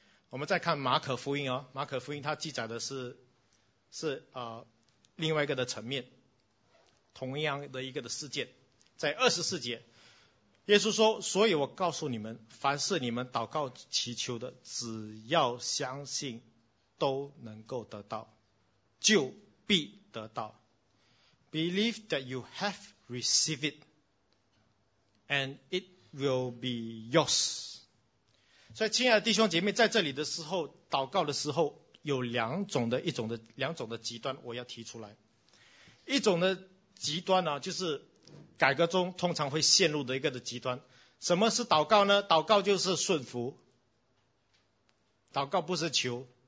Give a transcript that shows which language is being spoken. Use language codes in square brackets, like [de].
[zh] 我们再看马可福音哦，马可福音它记载的是另外一个的层面，同样的一个的事件，在24节，耶稣说，所以我告诉你们，凡是你们祷告祈求的，只要相信都能够得到，就必得到。 [en] Believe that you have received it and it will be yours。 [zh] 所以亲爱的弟兄姐妹，在这里的时候，祷告的时候有两种的极端，我要提出来。一种的极端呢，就是改革中通常会陷入的一个的极端。什么是祷告呢？祷告就是顺服，祷告不是求。